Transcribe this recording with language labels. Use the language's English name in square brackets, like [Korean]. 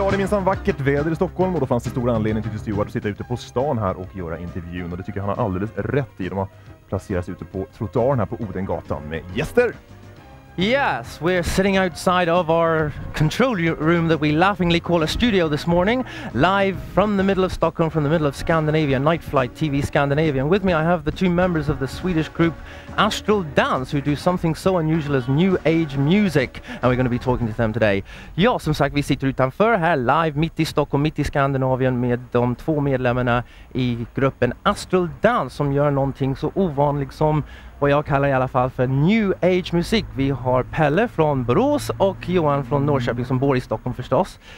[Swedish] Vackert väder i Stockholm och då fanns det stor anledning till Stuart att sitta ute på stan här och göra intervjun. Och det tycker jag han har alldeles rätt i. De har placerats ute på trottoaren här på Odengatan med gäster. [English] Yes, we're sitting outside of our control room that we laughingly call a studio this morning. Live from the middle of Stockholm, from the middle of Scandinavia, Nightflight TV Scandinavia. And with me I have the two members of the Swedish group Astral Dance, who do something so unusual as new age music, and we're going to be talking to them today. [Swedish] Ja, som sagt, vi sitter utanför här live mitt i Stockholm, mitt i Skandinavien med de två medlemmarna i gruppen Astral Dance som gör någonting så ovanligt som vad jag kallar i alla fall för new age musik. Vi har Pelle från Borås och Johan från Norrköping som bor i Stockholm förstås.